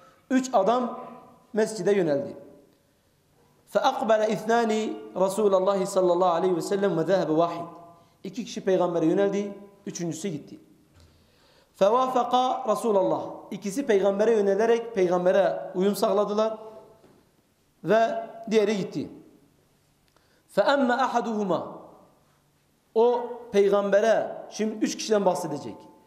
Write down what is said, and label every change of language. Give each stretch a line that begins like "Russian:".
Turkish: Üç adam mescide yöneldi.
Arabic: فأقبل اثنان رسول الله صلى الله عليه وسلم وذهب واحد.
Turkish: İki kişi peygambere yöneldi, üçüncüsü gitti.
Arabic: فَوَافَقَا رَسُولَ اللّٰهِ
Turkish: İkisi peygambere yönelerek peygambere uyum sağladılar ve diğeri gitti.
Arabic: فَأَمَّ أَحَدُهُمَا
Turkish: O peygambere, şimdi üç kişiden bahsedecek.